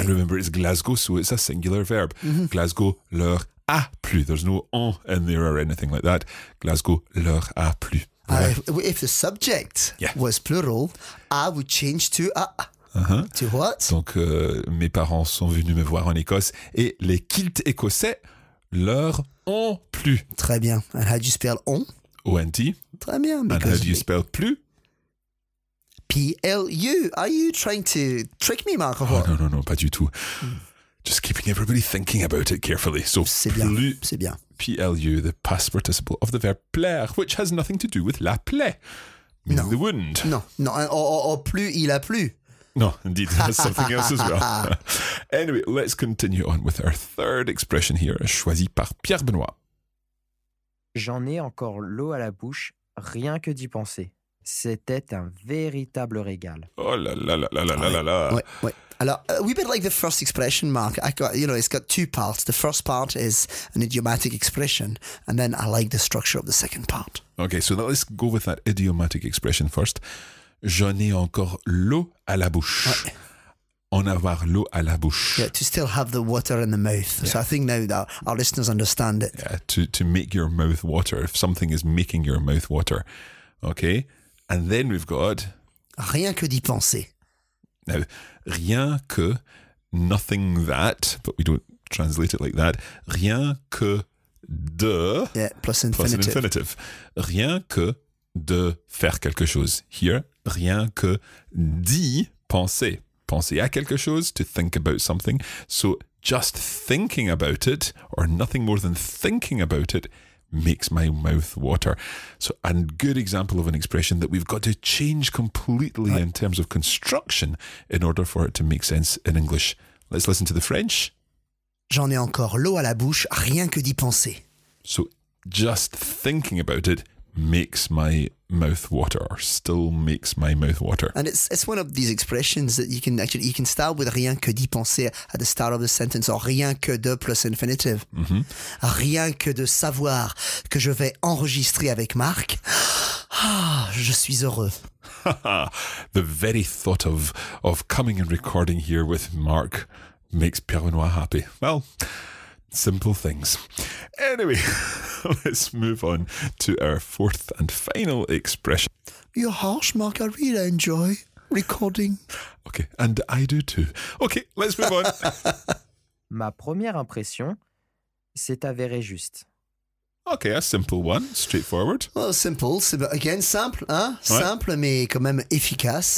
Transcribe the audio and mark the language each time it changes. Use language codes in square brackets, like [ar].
[en] And remember, it's Glasgow, so it's a singular verb. Mm-hmm. [fr] Glasgow leur a plu. [en] There's no en in there or anything like that. [fr] Glasgow leur a plu. [en] If the subject was plural, I would change to a. Uh-huh. To what? [fr] Donc, mes parents sont venus me voir en Écosse et les kilts écossais leur ont plu. Très bien. [en] And how do you spell on? O-N-T. [fr] Très bien. [en] And how do you spell plu? P-L-U. Are you trying to trick me, Marco? Oh, no, [fr] pas du tout. [en] Just keeping everybody thinking about it carefully. So, [fr] c'est plus, bien, c'est bien. [en] P-L-U, the past participle of the verb plaire, which has nothing to do with [fr] la plaie, [en] meaning the wound. No, or [fr] plus il a plu. [en] No, indeed, that's something else as well. Anyway, let's continue on with our third expression here, [fr] choisi par [en] Pierre Benoît. [fr] J'en ai encore l'eau à la bouche, rien que d'y penser. C'était un véritable régal. Oh là là là là là là là. Oui. [en] Alors, we bit like the first expression, Mark. It's got two parts. The first part is an idiomatic expression, and then I like the structure of the second part. Okay, so now let's go with that idiomatic expression first. [fr] J'en ai encore l'eau à la bouche. Ouais. En avoir l'eau à la bouche. [en] Yeah, to still have the water in the mouth. Yeah. So I think now that our listeners understand it. Yeah, to make your mouth water. If something is making your mouth water, okay. And then we've got... [fr] Rien que d'y penser. [en] Now, [fr] rien que, [en] nothing that, but we don't translate it like that. [fr] Rien que de... [en] Yeah, plus infinitive. Plus an infinitive. [fr] Rien que de faire quelque chose. [en] Here, [fr] rien que d'y penser. Penser à quelque chose, [en] to think about something. So just thinking about it, or nothing more than thinking about it, makes my mouth water. So a good example of an expression that we've got to change completely in terms of construction in order for it to make sense in English. Let's listen to the French. [fr] J'en ai encore l'eau à la bouche, rien que d'y penser. [en] So just thinking about it makes my mouth water, or still makes my mouth water. And it's one of these expressions that you can start with [fr] rien que d'y penser [en] at the start of the sentence, or [fr] rien que de [en] plus infinitive. Mm-hmm. [fr] Rien que de savoir que je vais enregistrer avec Marc, je suis heureux. [en] The very thought of coming and recording here with Marc makes Pierre-Benoît happy. Well, simple things. Anyway, let's move on to our fourth and final expression. You're harsh, Mark. I really enjoy recording. Okay, and I do too. Okay, let's move on. [fr] ma première impression s'est avérée juste. [en] Ok, a simple one, straightforward. Well, simple, again, simple, [fr] hein? Ouais. Simple, mais quand même efficace.